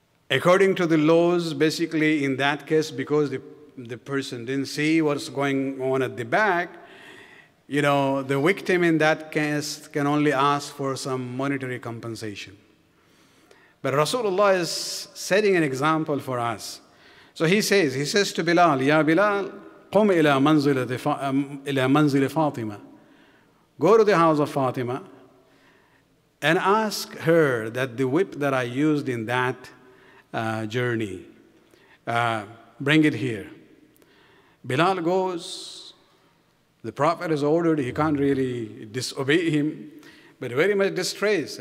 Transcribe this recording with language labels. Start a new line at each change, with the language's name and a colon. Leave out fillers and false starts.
English: According to the laws, basically in that case, because the person didn't see what's going on at the back, you know, the victim in that case can only ask for some monetary compensation. But Rasulullah is setting an example for us. So he says to Bilal, Ya Bilal,
Arabic: قم إلى منزل إلى منزل فاطمة.
English: Go to the house of Fatima and ask her that the whip that I used in that journey, bring it here. Bilal goes. The Prophet is ordered, he can't really disobey him, but very much distressed.